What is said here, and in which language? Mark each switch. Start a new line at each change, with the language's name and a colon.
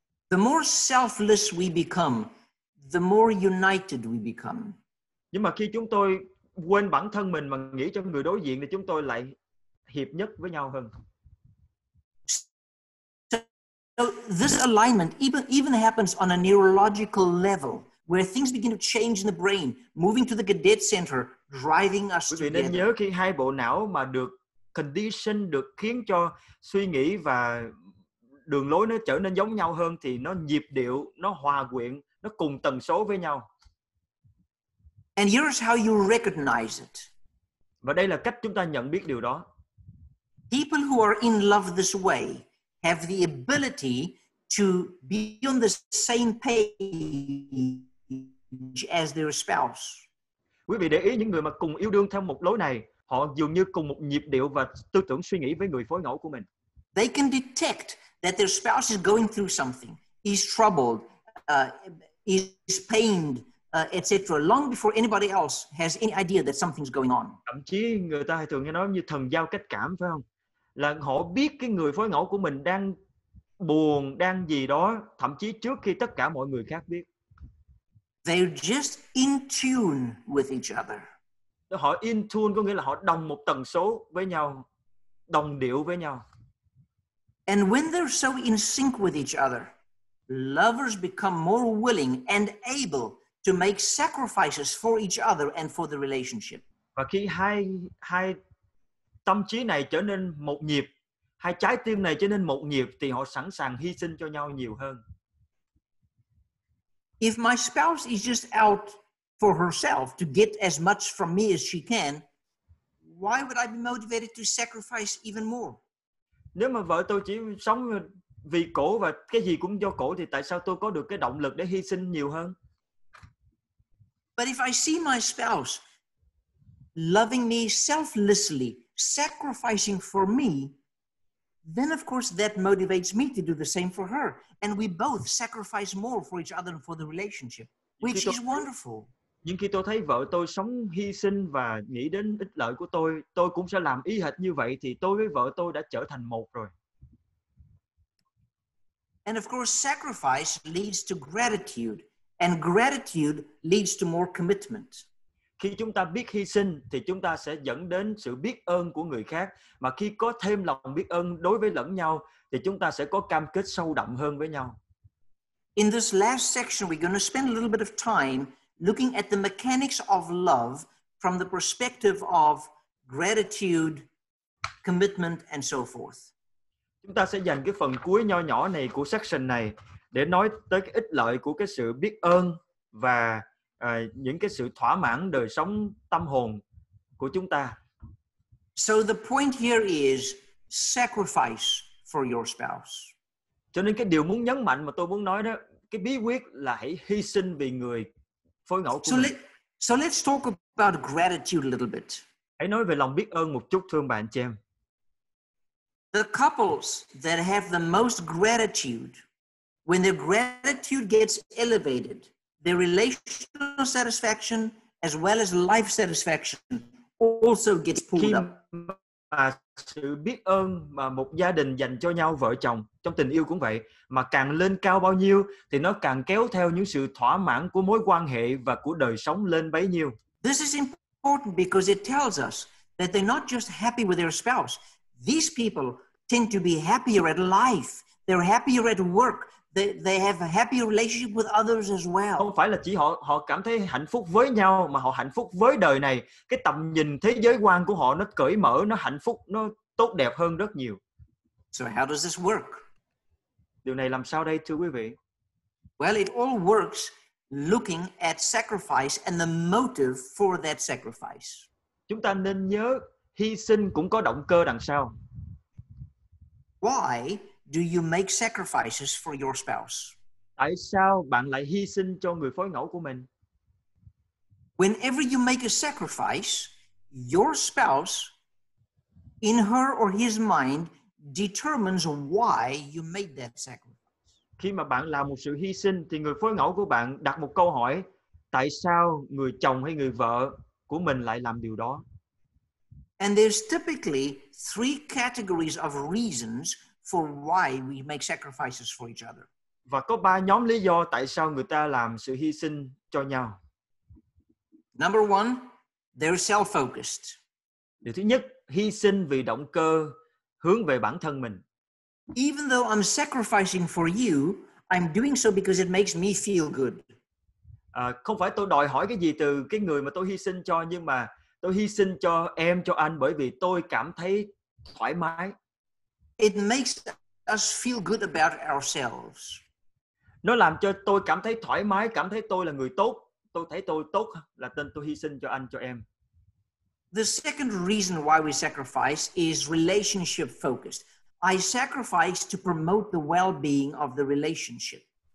English: The more selfless we become, the more united we become.
Vietnamese: Nhưng mà khi chúng tôi quên bản thân mình mà nghĩ cho người đối diện thì chúng tôi lại hiệp nhất với nhau hơn.
English: So this alignment even happens on a neurological level where things begin to change in the brain, moving to the Godet center, driving us together.
Vietnamese: Quý vị nên nhớ khi hai bộ não mà được condition, được khiến cho suy nghĩ và đường lối nó trở nên giống nhau hơn thì nó nhịp điệu, nó hòa quyện, nó cùng tần số với nhau.
English: And here's how you recognize it.
Vietnamese: Và đây là cách chúng ta nhận biết điều đó.
English: People who are in love this way have the ability to be on the same page as their spouse.
Vietnamese: Quý vị để ý những người mà cùng yêu đương theo một lối này, họ dường như cùng một nhịp điệu và tư tưởng suy nghĩ với người phối ngẫu của mình.
English: They can detect that their spouse is going through something, is troubled, is pained, etc. long before anybody else has any idea that something's going on.
Vietnamese: Thậm chí người ta hay thường nghe nói như thần giao cách cảm phải không? Là họ biết cái người phối ngẫu của mình đang buồn, đang gì đó, thậm chí trước khi tất cả mọi người khác biết.
English: They're just in tune with each other.
Vietnamese: Họ
English: in tune
Vietnamese: có nghĩa là họ đồng một tần số với nhau, đồng điệu với nhau.
English: And when they're so in sync with each other, lovers become more willing and able to make sacrifices for each other and for the relationship.
Vietnamese: Và khi hai tâm trí này trở nên một nhịp, hai trái tim này trở nên một nhịp thì họ sẵn sàng hy sinh cho nhau nhiều hơn.
English: if my spouse is just out for herself to get as much from me as she can, why would I be motivated to sacrifice even more?
Vietnamese: Nếu mà vợ tôi chỉ sống vì cổ và cái gì cũng do cổ thì tại sao tôi có được cái động lực để hy sinh nhiều hơn?
English: But if I see my spouse loving me selflessly, sacrificing for me, then of course that motivates me to do the same for her, and we both sacrifice more for each other and for the relationship, which is wonderful.
Vietnamese: Nhưng khi tôi thấy vợ tôi sống hy sinh và nghĩ đến ích lợi của tôi cũng sẽ làm y hệt như vậy, thì tôi với vợ tôi đã trở thành một rồi.
English: And of course, sacrifice leads to gratitude, and gratitude leads to more commitment.
Vietnamese: Khi chúng ta biết hy sinh, thì chúng ta sẽ dẫn đến sự biết ơn của người khác. Mà khi có thêm lòng biết ơn đối với lẫn nhau, thì chúng ta sẽ có cam kết sâu đậm hơn với nhau.
English: In this last section, we're going to spend a little bit of time looking at the mechanics of love from the perspective of gratitude, commitment, and so forth.
Vietnamese: Chúng ta sẽ dành cái phần cuối nho nhỏ này của section này để nói tới cái ích lợi của cái sự biết ơn và những cái sự thỏa mãn đời sống tâm hồn của chúng ta.
English: So the point here is sacrifice for your spouse.
Vietnamese: Cho nên cái điều muốn nhấn mạnh mà tôi muốn nói đó, cái bí quyết là hãy hy sinh vì người phối ngẫu của mình.
English: So let's talk about gratitude a little bit.
Vietnamese: Hãy nói về lòng biết ơn một chút thưa bạn chị em.
English: The couples that have the most gratitude, when their gratitude gets elevated, their relational satisfaction as well as life satisfaction also gets pulled up.
Vietnamese: Khi mà sự biết ơn mà một gia đình dành cho nhau, vợ chồng trong tình yêu cũng vậy, mà càng lên cao bao nhiêu thì nó càng kéo theo những sự thỏa mãn của mối quan hệ và của đời sống lên bấy nhiêu.
English: This is important because it tells us that they're not just happy with their spouse. These people tend to be happier at life. They're happier at work. They have a happier relationship with others as well.
Vietnamese: Không phải là chỉ họ cảm thấy hạnh phúc với nhau mà họ hạnh phúc với đời này. Cái tầm nhìn thế giới quan của họ nó cởi mở, nó hạnh phúc, nó tốt đẹp hơn rất nhiều.
English: So how does this work?
Vietnamese: Điều này làm sao đây thưa quý vị?
English: Well, it all works looking at sacrifice and the motive for that sacrifice.
Vietnamese: Chúng ta nên nhớ hy sinh cũng có động cơ đằng sau.
English: Why do you make sacrifices for your spouse?
Vietnamese: Tại sao bạn lại hy sinh cho người phối ngẫu của mình?
English: Whenever you make a sacrifice, your spouse, in her or his mind, determines why you made that sacrifice.
Vietnamese: Khi mà bạn làm một sự hy sinh, thì người phối ngẫu của bạn đặt một câu hỏi, tại sao người chồng hay người vợ của mình lại làm điều đó?
English: And there's typically three categories of reasons for why we make sacrifices for each other.
Vietnamese: Và có ba nhóm lý do tại sao người ta làm sự hy sinh cho nhau.
English: Number one, they're self-focused.
Vietnamese: Điều thứ nhất, hy sinh vì động cơ hướng về bản thân mình.
English: Even though I'm sacrificing for you, I'm doing so because it makes me feel good.
Vietnamese: Không phải tôi đòi hỏi cái gì từ cái người mà tôi hy sinh cho, nhưng mà tôi hy sinh cho em, cho anh bởi vì tôi cảm thấy thoải mái.
English: It makes us feel good about ourselves.
Vietnamese: Nó làm cho tôi cảm thấy thoải mái, cảm thấy tôi là người tốt. Tôi thấy tôi tốt là nên tôi hy sinh cho anh, cho em.
English: The second reason why we sacrifice is relationship focused. I sacrifice to promote the well-being of the relationship.